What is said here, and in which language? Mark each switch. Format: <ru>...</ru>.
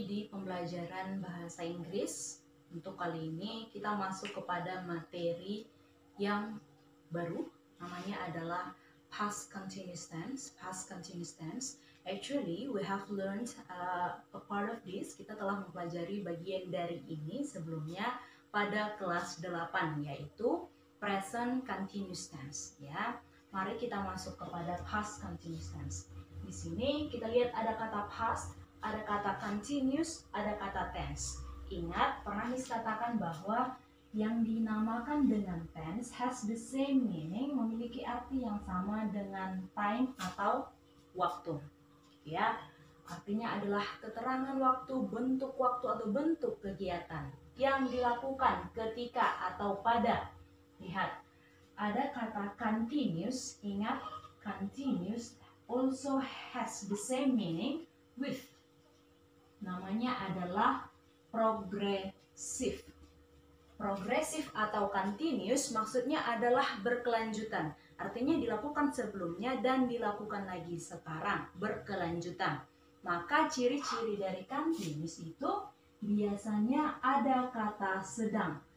<id>pembelajaran bahasa Inggris. Untuk kali ini kita masuk kepada materi yang baru, namanya adalah past continuous tense.</id> <en>Past continuous tense. Actually, we have learned a part of this.</en> <id>Kita telah mempelajari bagian dari ini sebelumnya pada kelas 8, yaitu present continuous tense. Ya, mari kita masuk kepada past continuous tense. Di sini kita lihat ada kata past, ada kata continuous, ada kata tense. Ingat, pernah Miss katakan bahwa yang dinamakan dengan tense</id> <en>has the same meaning,</en> <id>memiliki arti yang sama dengan time atau waktu. Ya, artinya adalah keterangan waktu, bentuk waktu atau bentuk kegiatan yang dilakukan ketika atau pada. Lihat, ada kata continuous. Ingat,</id> <en>continuous also has the same meaning with.</en> <id>Namanya adalah progressive. Progressive atau continuous maksudnya adalah berkelanjutan. Artinya dilakukan sebelumnya dan dilakukan lagi sekarang, berkelanjutan. Maka ciri-ciri dari continuous itu biasanya ada kata sedang.</id>